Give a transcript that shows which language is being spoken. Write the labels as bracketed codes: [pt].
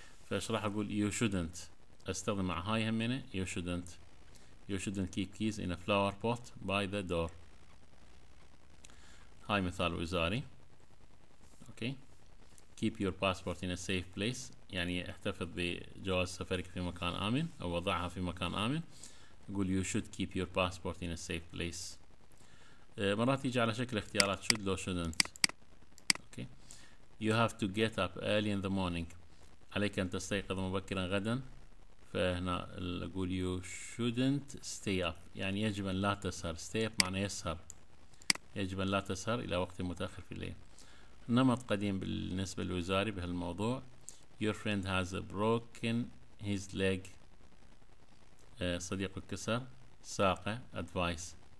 [ar] فأشرح أقول [en] you shouldn't [ar] استخدم مع هاي همينة [en] you shouldn't keep keys in a flower pot by the door. [ar] هاي مثال وزاري. [en] Okay. Keep your passport in a safe place. [ar] يعني احتفظ بجواز سفرك في مكان آمن أو وضعها في مكان آمن. أقول [en] you should keep your passport in a safe place. [ar] مرات يجي على شكل اختيارات should لو shouldn't. [en] Okay. You have to get up early in the morning. [ar] عليك أن تستيقظ مبكرا غدا. فهنا أقول [en] you shouldn't stay up. [ar] يعني يجب أن لا تسهر. [en] Stay up [ar] معنى يسهر. يجب أن لا تسهر إلى وقت متأخر في الليل. نمط قديم بالنسبة للوزاري بهالموضوع. [en] Your friend has broken his leg. [ar] صديقك كسر ساقة. [en] Advice.